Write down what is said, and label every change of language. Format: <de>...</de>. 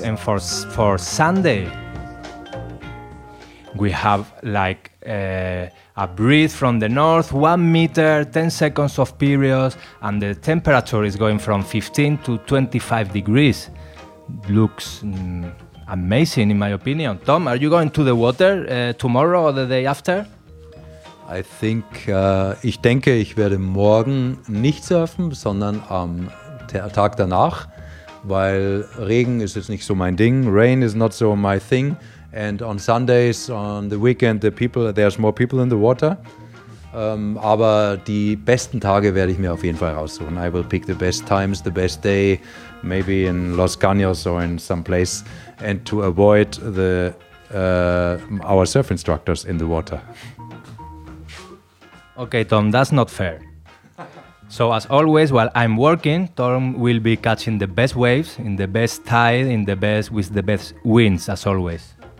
<en>And for Sunday, we have like a breeze from the north, 1 meter, 10 seconds of period, and the temperature is going from 15 to 25 degrees. Looks amazing, in my opinion. Tom, are you going to the water tomorrow or the day after?</en> <de>Ich denke, ich werde morgen nicht surfen, sondern am Tag danach, weil Regen ist jetzt nicht so mein Ding.</de> <en>Rain is not so my thing. And on Sundays, on the weekend, there's more people in the water.</en> <de>Aber die besten Tage werde ich mir auf jeden Fall raussuchen.</de> <en>I will pick the best times, the best day, maybe in Los Caños or in some place, and to avoid our surf instructors in the water. Okay, Tom, that's not fair. So as always, while I'm working, Tom will be catching the best waves, in the best tide, with the best winds, as always.</en>